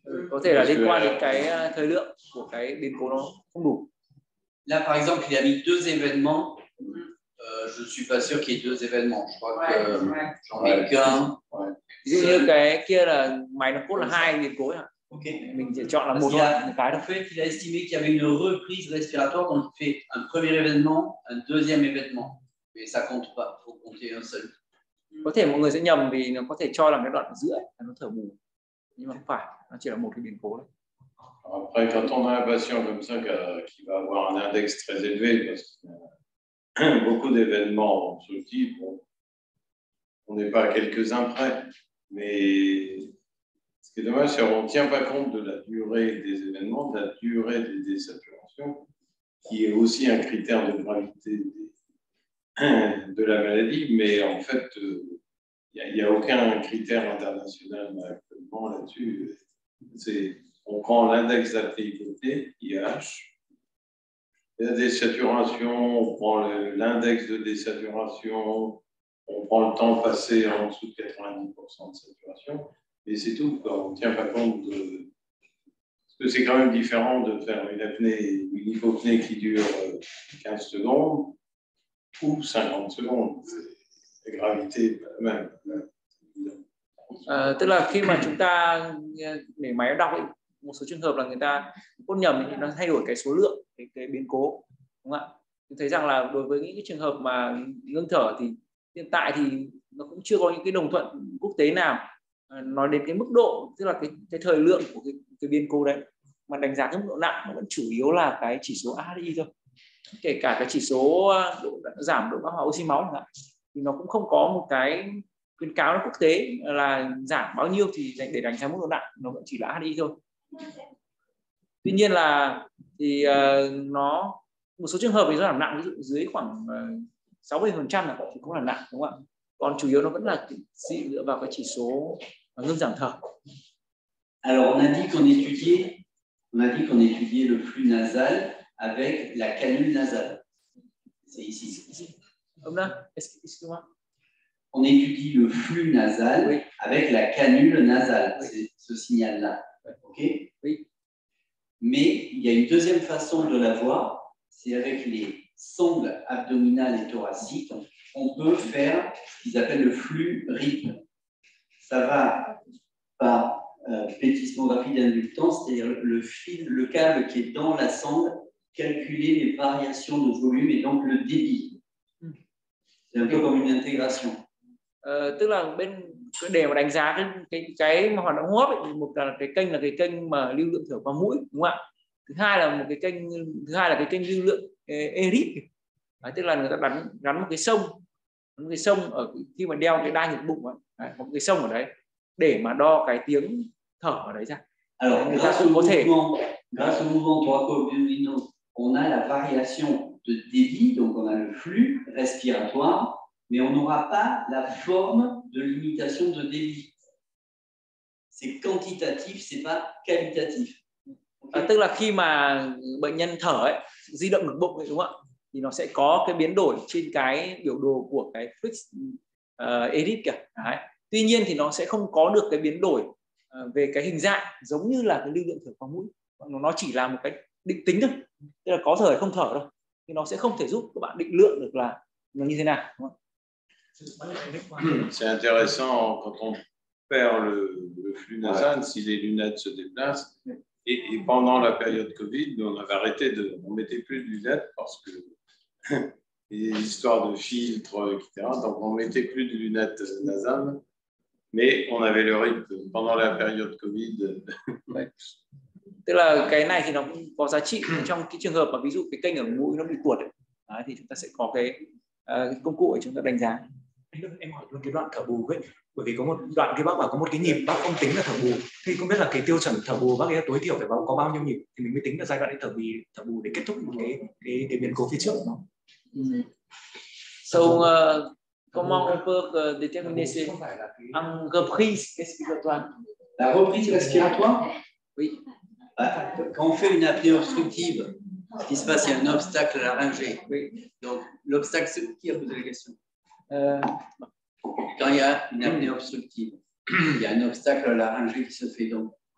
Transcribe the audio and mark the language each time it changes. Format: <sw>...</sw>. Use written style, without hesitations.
<vi>Có thể là liên quan đến cái thời lượng của cái biến cố nó không đủ.</vi> <fr>Là, par exemple, il y a mis deux événements. Je ne suis pas sûr qu'il y ait deux événements. Je crois que j'en ai qu'un.</fr> <vi>Ví dụ như cái kia là máy nó cốt là hai biến cố ạ. Ok. Mình chỉ chọn là một cái đó.</vi> <fr>Il a estimé qu'il y avait une reprise respiratoire, donc il fait un premier événement, un deuxième événement. Vì ça compte pas, faut compter un seul.</fr> <vi>Có thể mọi người sẽ nhầm vì nó có thể cho là cái đoạn ở giữa ấy, nó thở bù. Nhưng mà không phải, nó chỉ là một cái biến cố đấy.</vi> <fr>Après, quand on a un patient comme ça qui va avoir un index très élevé, parce qu'il y a beaucoup d'événements de ce type, bon, on n'est pas à quelques-uns près. Mais ce qui est dommage, c'est qu'on ne tient pas compte de la durée des événements, de la durée des désaturations, qui est aussi un critère de gravité de la maladie. Mais en fait, il n'y a aucun critère international actuellement là-dessus. C'est... On prend l'index d'altérité, IH, la désaturation, on prend l'index de désaturation, on prend le temps passé en dessous de 90% de saturation, et c'est tout. On ne tient pas compte de... Parce que c'est quand même différent de faire une apnée, une hypopnée qui dure 15 secondes ou 50 secondes. La gravité n'est pas la même.</fr> <vi>Tức là khi mà chúng ta để máy đọc ấy, một số trường hợp là người ta cốt nhầm thì nó thay đổi cái số lượng cái biến cố, đúng không ạ? Thấy rằng là đối với những cái trường hợp mà ngưng thở thì hiện tại thì nó cũng chưa có những cái đồng thuận quốc tế nào nói đến cái mức độ, tức là cái thời lượng của cái biến cố đấy, mà đánh giá cái mức độ nặng nó vẫn chủ yếu là cái chỉ số ADI thôi, kể cả cái chỉ số giảm độ bão hòa oxy máu chẳng hạn, thì nó cũng không có một cái khuyến cáo quốc tế là giảm bao nhiêu thì để đánh giá mức độ nặng, nó vẫn chỉ là ADI thôi. Tuy nhiên là thì nó một số trường hợp thì nó giảm nặng, ví dụ dưới khoảng 60% là thì cũng là nặng, đúng không ạ? Còn chủ yếu nó vẫn là dị dựa vào cái chỉ số ngưng giảm thở.</vi> <fr>Alors on a dit qu'on étudiait, le flux nasal avec la canule nasale. C'est ici. Voilà. Excuse-moi. On étudie le flux nasal avec la canule nasale. C'est ce signal là. Ok. Oui. Mais il y a une deuxième façon de la voir, c'est avec les sondes abdominales et thoraciques. On peut faire ce qu'ils appellent le flux rythme. Ça va par pétismographie d'inductance, c'est-à-dire le fil, le câble qui est dans la sonde, calculer les variations de volume et donc le débit. C'est un peu comme une intégration.</fr> <vi>Tức là bên để mà đánh giá cái hoạt động hô hấp ấy, một là cái kênh mà lưu lượng thở qua mũi, đúng không ạ? Thứ hai là cái kênh lưu lượng erít, tức là người ta gắn một cái sông ở khi mà đeo cái đai ngực bụng ấy, đấy, một cái sông ở đấy để mà đo cái tiếng thở ở đấy ra.</vi> <fr>Alors,</fr> <vi>người ta cũng có thể</vi> <fr>grâce au mouvement thoracobiominal, on a la variation de débit, donc on a le flux respiratoire. Mais on n'aura pas la forme de limitation de débit. C'est quantitatif, c'est pas qualitatif. Okay.</fr> <vi>Tức là khi mà bệnh nhân thở ấy, di động ngực bụng ấy, đúng không ạ? Thì nó sẽ có cái biến đổi trên cái biểu đồ của cái fixed edit kìa. Đấy. Tuy nhiên thì nó sẽ không có được cái biến đổi về cái hình dạng giống như là cái lưu lượng thở qua mũi. Nó chỉ là một cái định tính thôi. Tức là có thở hay không thở đâu. Thì nó sẽ không thể giúp các bạn định lượng được là nó như thế nào, đúng không ạ?</vi> <fr>C'est intéressant quand on perd le flux nasal, ouais. Si les lunettes se déplacent. Et pendant la période Covid, on avait arrêté de. On ne mettait plus de lunettes parce que. Les histoires de filtres, etc. Donc on ne mettait plus de lunettes nasales. Mais on avait le rythme pendant la période Covid. Ouais.</fr> <vi>Tức là cái này thì nó cũng có giá trị trong cái trường hợp, ví dụ cái kênh ở mũi nó bị tuột. Thì chúng ta sẽ có cái công cụ để chúng ta đánh giá. Em hỏi luôn cái đoạn thở bù ấy, bởi vì có một đoạn kia bác bảo có một cái nhịp bác không tính là thở bù, thì không biết là cái tiêu chuẩn thở bù bác ấy tối thiểu phải có bao nhiêu nhịp thì mình mới tính là giai đoạn thở bù để kết thúc một cái biến cố phía trước.</vi> <fr>So comment on peut déterminer si en reprise respiratoire? La reprise respiratoire? Oui. Quand on fait une apnée obstructive, ce qui se passe, il y a un obstacle à la rangée. Oui. Donc l'obstacle, c'est qui a posé la question? Quand il y a une apnée obstructive, il y a un obstacle à la rangée qui se fait donc.</fr>